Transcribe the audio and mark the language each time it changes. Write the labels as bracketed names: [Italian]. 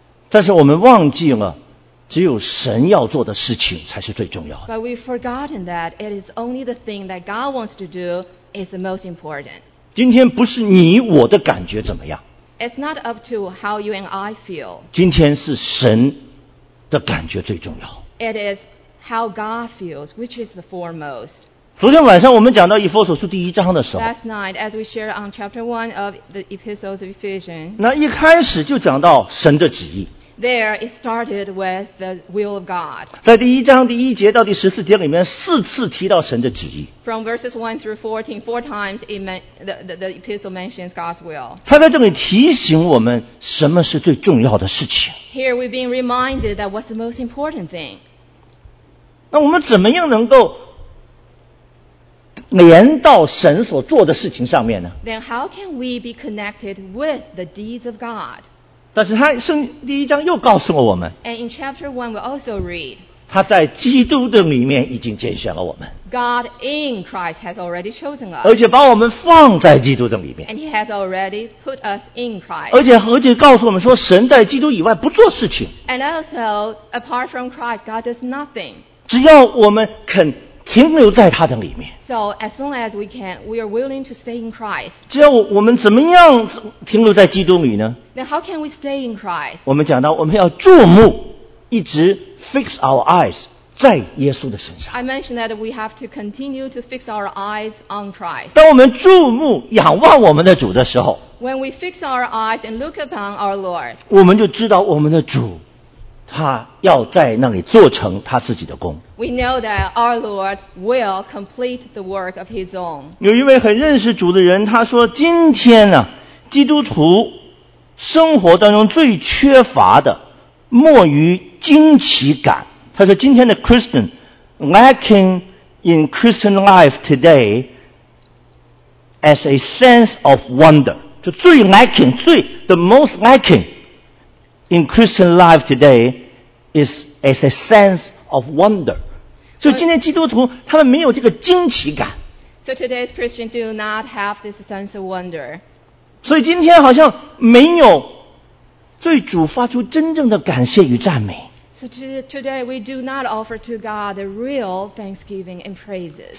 [Chinese] 但是我们忘记了只有神要做的事情才是最重要的。 [English] But we've forgotten that it is only the thing that God wants to do is the most important. [Chinese] 今天不是你我的感觉怎么样。 [English] It's not up to how you and I feel. [Chinese] 今天是神的感觉最重要。 [English] It is how God feels, which is the foremost. [Chinese] 昨天晚上我们讲到以弗所书第一章的时候。 [English] Last night, as we shared on chapter 1 of the epistles of Ephesians. [Chinese] 那一开始就讲到神的旨意。 [English] There it started with the will of God. [Chinese] 在第一章第一节到第十四节里面四次提到神的旨意。 [English] From verses 1 through 14, four times the epistle mentions God's will. [Chinese] 他在这里提醒我们什么是最重要的事情。 [English] Here we've been reminded that what's the most important thing. [Chinese] 那我们怎么样能够连到神所做的事情上面呢？ [English] Then how can we be connected with the deeds of God? [Chinese] 但是他第一章又告诉了我们。 [English] And in chapter 1 we also read. [Chinese] 他在基督的里面已经拣选了我们。 [English] God in Christ has already chosen us. [Chinese] 而且把我们放在基督的里面。 [English] And he has already put us in Christ. [Chinese] 而且何解告诉我们说神在基督以外不做事情。 [English] And also, apart from Christ, God does nothing. [Chinese] 只要我们肯停留在他的里面。 [English] So, as long as we can, we are willing to stay in Christ. [Chinese] 只要我们怎么样停留在基督里呢？ [English] Then how can we stay in Christ? [Chinese] 我们讲到我们要注目一直 [English] fix our eyes [Chinese] 在耶稣的身上。 [English] I mentioned that we have to continue to fix our eyes on Christ. [Chinese] 当我们注目仰望我们的主的时候， [English] When we fix our eyes and look upon our Lord, [Chinese] 我们就知道我们的主他要在那里做成他自己的工。 [English] We know that our Lord will complete the work of his own. [Chinese] 有一位很认识主的人，他说今天呢，基督徒生活当中最缺乏的莫于惊奇感。他说今天的 [English] Christian lacking in Christian life today as a sense of wonder. [Chinese] 就最 [English] lacking, 最 the most lacking in Christian life today is as a sense of wonder. [Chinese] 所以今天基督徒他们没有这个惊奇感。 [English] So today's Christian do not have this sense of wonder. [Chinese] 所以今天好像没有对主发出真正的感谢与赞美。 [English] So today we do not offer to God the real thanksgiving and praises.